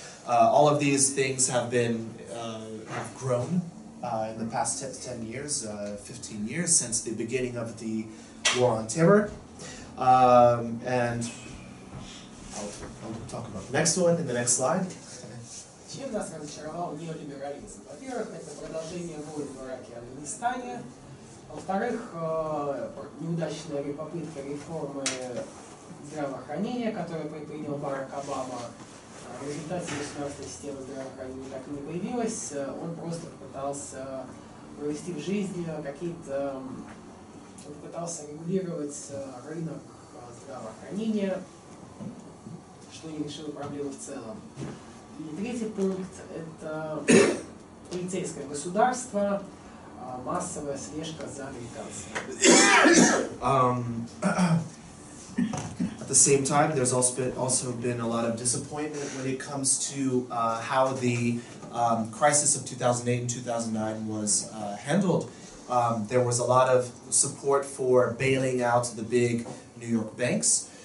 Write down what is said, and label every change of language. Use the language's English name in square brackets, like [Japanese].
[English] All of these things have been grown in the past 10 years, 15 years since the beginning of the war on terror. And I'll talk about the next one in the next slide. [Russian] Чем нас разочаровал неолиберализм? Во-первых, это продолжение войн в Ираке и Афганистане. Во-вторых, неудачная попытка реформы здравоохранения, которую предпринял Барак Обама. В результате государственной системы здравоохранения так и не появилась. Он просто попытался провести в жизнь какие-то... Он попытался регулировать рынок здравоохранения, что не решило проблему в целом. И третий пункт – это полицейское государство, массовая слежка за американцами. [English] At the same time, there's also been a lot of disappointment when it comes to how the crisis of 2008 and 2009 was handled. There was a lot of support for bailing out the big New York banks.